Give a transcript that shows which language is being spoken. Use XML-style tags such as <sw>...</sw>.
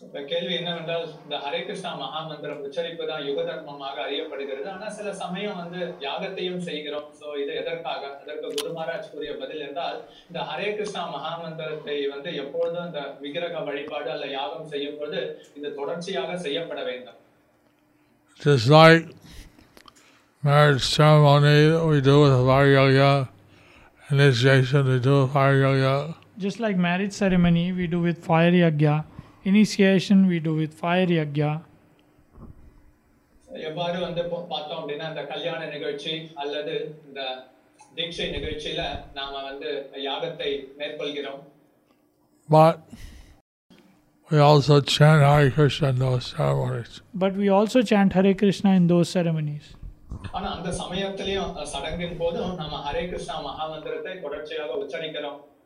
<ta>கேள்வி என்னவென்றால் இந்த ஹரே கிருஷ்ணா மகாமந்திரம் உச்சரிப்பு தான் யுக தர்மமாக அறியப்படுகிறது ஆனால் சில சமயம் வந்து யாகத்தையும் செய்கிறோம் ஸோ இது எதற்காக அதற்கு குரு மகாராஜ் கூறிய பதில் என்றால் இந்த ஹரே கிருஷ்ணா மகாமந்திரத்தை வந்து எப்பொழுதும் இந்த விக்கிரக வழிபாடு அல்ல யாகம் செய்யும் பொழுது இது தொடர்ச்சியாக செய்யப்பட வேண்டும்</ta> <en>Just like marriage ceremony we do with Hare Yoga, initiation we do with Hare Yoga. Just like marriage ceremony we do with Fire Yagya. initiation we do with fire yagya.</en> <ta>எவ்வாறு வந்து பார்த்தோம் அப்படின்னா அந்த கல்யாண நிகழ்ச்சி அல்லது இந்த தீட்சை நிகழ்ச்சியில நாம வந்து யாகத்தை மேற்கொள்கிறோம்.</ta> <en>But we also chant Hare Krishna in those ceremonies. But we also chant Hare Krishna in those ceremonies.</en> <ta>ஆனா அந்த சமயத்திலையும் சடங்கின் போதும் நாம ஹரே கிருஷ்ணா மகாமந்திரத்தை தொடர்ச்சியாக உச்சரிக்கிறோம்.</ta>